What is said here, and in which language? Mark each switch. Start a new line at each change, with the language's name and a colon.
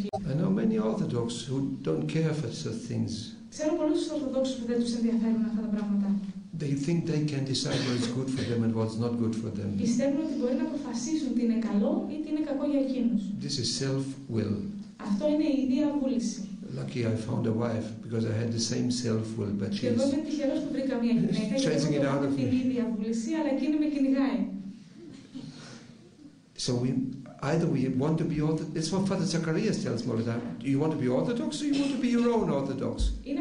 English: I know many Orthodox who don't care for such things.
Greek: Ξέρω πολλούς Ορθοδόξους που δεν τους ενδιαφέρουν αυτά τα πράγματα.
English: They think they can decide what is good for them and what's not good for them.
Greek: Πιστεύουν ότι μπορεί να αποφασίσουν τι είναι καλό ή τι είναι κακό για εκείνους.
English: This is self-will.
Greek: Αυτό είναι η διαβούληση.
English: Lucky I found a wife because I had the same self-will, but she's.
Greek: Εγώ είμαι τυχερός που βρήκα μια γυναίκα.
English: Chasing it out of me.
Greek: Την διαβούληση, αλλά εκείνη με κυνηγάει.
English: So we. Either we want to be Orthodox, it's what Father Zacharias tells me all the time. Do you want to be Orthodox or you want to be your own Orthodox?